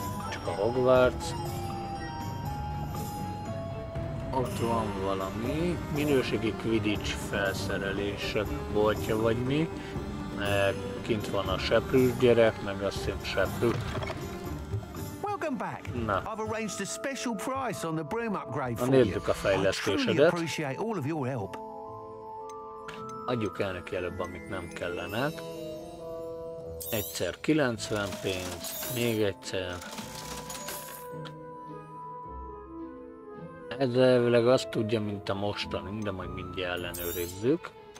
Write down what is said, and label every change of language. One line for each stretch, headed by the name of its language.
Hungarian: Csak a Hogwarts. Ott van valami. Minőségi Quidditch felszerelések boltja vagy mi. Kint van a seprűs gyerek, meg azt hiszem seprű.
English: come back.
Hungarian: Na.
English: I've arranged a special price on the broom upgrade for you.
Hungarian: A fejlesztésedet.
English: I truly appreciate all of your help.
Hungarian: Adjuk el neki előbb, amit nem kellene. Egyszer 90 pénz, még egyszer. Ez elvileg azt tudja, mint a mostani, de majd mindjárt ellenőrizzük.